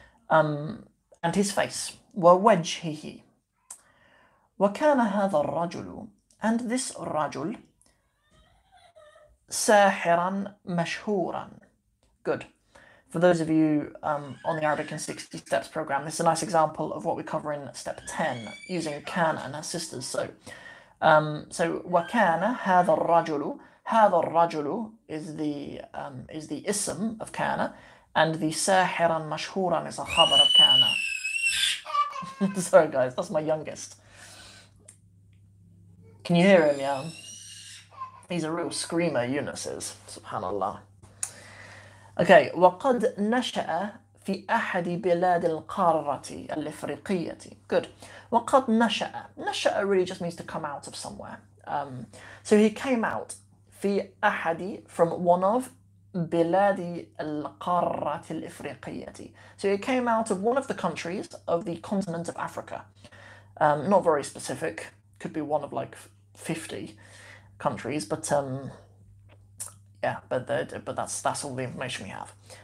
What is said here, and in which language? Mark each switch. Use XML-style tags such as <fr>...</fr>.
<en>And his face.</en> <ar>وَوَجْهِهِ. وَكَانَ هَذَا الرَّجُلُ.</ar> <en>And this rajul,</en> <ar>سَاحِرًا مَشْهُورًا.</ar> <en>Good. For those of you on the Arabic in 60 Steps program, this is a nice example of what we cover in step 10, using كان and her sisters. So</en> <ar>وَكَانَ هَذَا الرَّجُلُ. هذا الرجل</ar> <en>is the ism of كان, and the</en> <ar>ساحرا مشهورا</ar> <en>is a خبر of كان. Sorry, guys, that's my youngest. Can you hear him? Yeah, he's a real screamer. Yunus is, subhanallah. Okay,</en> <ar>وقد نشأ في أحد بلاد القارة الإفريقية.</ar> <en>Good.</en> <ar>وقد نشأ.</ar> <en>نشأ really just means to come out of somewhere. So he came out.</en> <ar>في أحد,</ar> <en>from one of</en> <ar>بلاد القارة الإفريقية.</ar> <en>So it came out of one of the countries of the continent of Africa. Not very specific. Could be one of like 50 countries, but yeah, but that's all the information we have.</en>